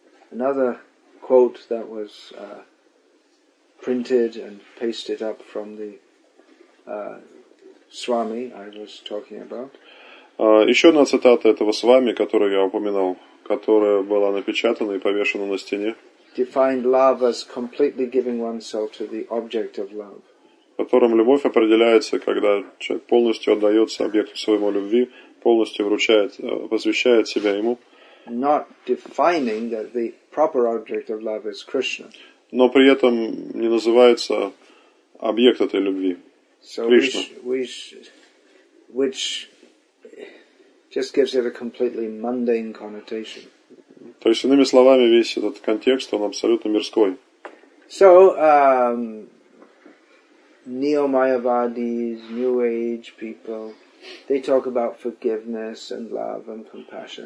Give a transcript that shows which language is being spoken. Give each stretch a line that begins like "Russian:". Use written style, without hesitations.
English: Another quote that was printed and pasted up from the Swami I was talking about.
Russian: Еще одна цитата этого Свами, которую я упоминал, которая была напечатана и повешена на стене.
English: Defined love as completely giving oneself to the object of love.
Russian: Которым любовь определяется, когда человек полностью отдается объекту своему любви, полностью вручает, посвящает себя ему.
English: Not defining that the proper object of love is Krishna.
Russian: Но при этом не называется объект этой любви.
English: So Krishna. Which just gives it a completely mundane connotation.
Russian: То есть, иными словами, весь этот контекст, он абсолютно мирской.
English: So, neo-mayavadis, new age people, they talk about forgiveness and love and compassion.